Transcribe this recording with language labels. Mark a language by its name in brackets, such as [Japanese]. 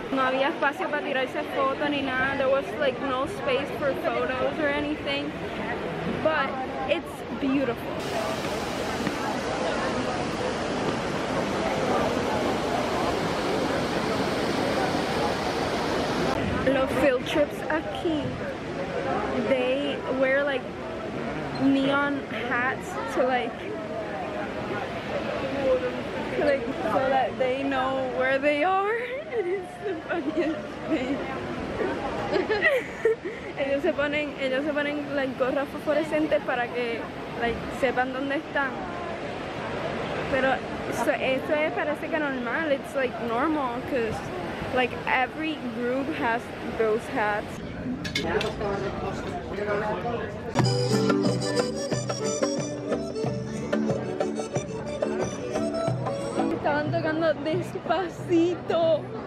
[Spanish] No había espacio para tirarse foto ni nada. [English] There was like no space for photos or anything. But it's beautiful. Los field trips aquí, they wear like neon hats to like so that they know where they are. It's the funniest thing. [Spanish] ellos se ponen las gorras fosforescentes para que like sepan dónde están. Pero eso es parece que normal. [English] It's like normal because like every group has those hats. [Spanish] Estaban tocando despacito.